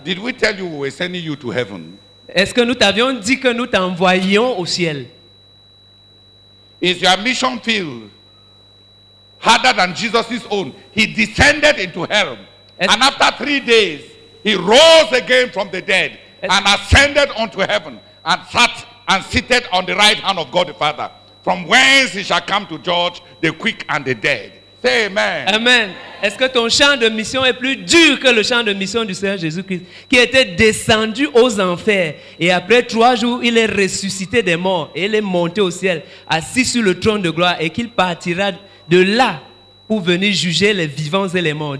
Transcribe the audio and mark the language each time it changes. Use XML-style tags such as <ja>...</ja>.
<en>did we tell you we were sending you to heaven?</en> <fr>Est-ce que nous t'avions dit que nous t'envoyions au ciel?</fr> <en>Is your mission field harder than Jesus' own? He descended into hell. And after 3 days, he rose again from the dead and ascended unto heaven and sat and seated on the right hand of God the Father, from whence he shall come to judge the quick and the dead. Say amen. Amen.</en> <fr>Est-ce que ton champ de mission est plus dur que le champ de mission du Seigneur Jésus-Christ, qui était descendu aux enfers et après 3 jours, il est ressuscité des morts et il est monté au ciel, assis sur le trône de gloire, et qu'il partira de là pour venir juger les vivants et les morts.</fr>